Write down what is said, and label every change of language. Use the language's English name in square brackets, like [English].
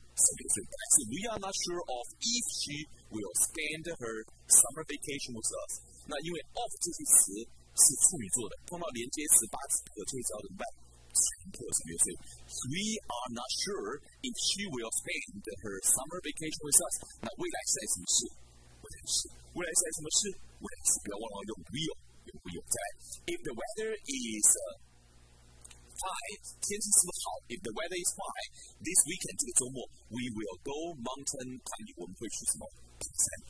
[Chinese] 省略，所以 [English] we are not sure of if she will spend her summer vacation with us。 [Chinese] 那因为 of 这些词是处女座的，碰到连接词把子可就会知道怎么办。 [English] We are not sure if she will spend her summer vacation with us. [Chinese] 那未来是在什么事？未来是，未来是在什么事？未来是，不要忘了用 will， 用 will。再来 ， [English] If the weather is fine， [Chinese] 天气是不是好 ？If the weather is fine， [English] this weekend [Chinese] 这个周末 ， [English] we will go mountain climbing， [Chinese] 我们会去什么登山？